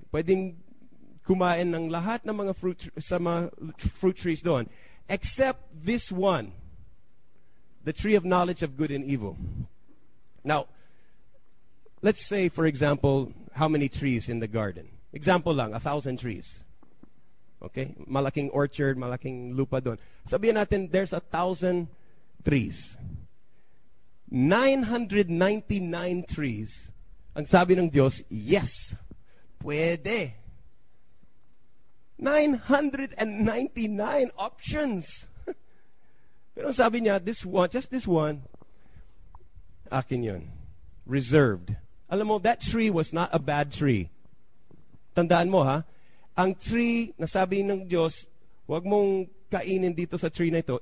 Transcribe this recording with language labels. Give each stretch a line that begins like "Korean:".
Filipino: Pwedeng kumain ng lahat ng mga fruit, sa mga fruit trees doon.
English: Except this one, the tree of knowledge of good and evil. Now, let's say, for example, how many trees in the garden?
Filipino: Example lang, 1,000 trees. Okay? Malaking orchard, malaking lupa doon. Sabihin natin,
English: there's 1,000 trees.
Filipino: 999 trees, ang sabi ng Diyos, yes, pwede.
English: 999 options.
Filipino: Pero sabi niya,
English: this one, just this one,
Filipino: akin yun.
English: Reserved.
Filipino: Alam mo,
English: that tree was not a bad tree.
Filipino: Tandaan mo, ha? Ang tree na sabi ng Diyos, huwag mong kainin dito sa tree na ito.